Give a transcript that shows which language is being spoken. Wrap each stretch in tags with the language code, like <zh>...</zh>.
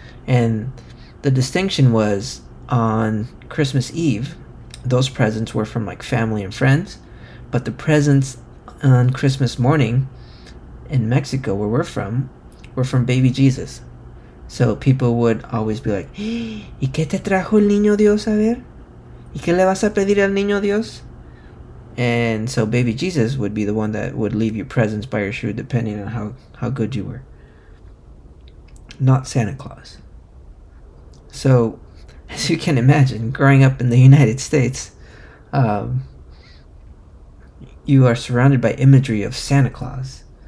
<en>And the distinction was on Christmas Eve, those presents were from like family and friends. But the presents on Christmas morning in Mexico, where we're from, were from baby Jesus. So people would always be like,</en> <es>¿Y qué te trajo el niño Dios a ver? ¿Y qué le vas a pedir al niño Dios?</es> <en>And so baby Jesus would be the one that would leave you presents by your shoe, depending on how good you were. Not Santa Claus. So, as you can imagine, growing up in the United States, you are surrounded by imagery of Santa Claus.</en>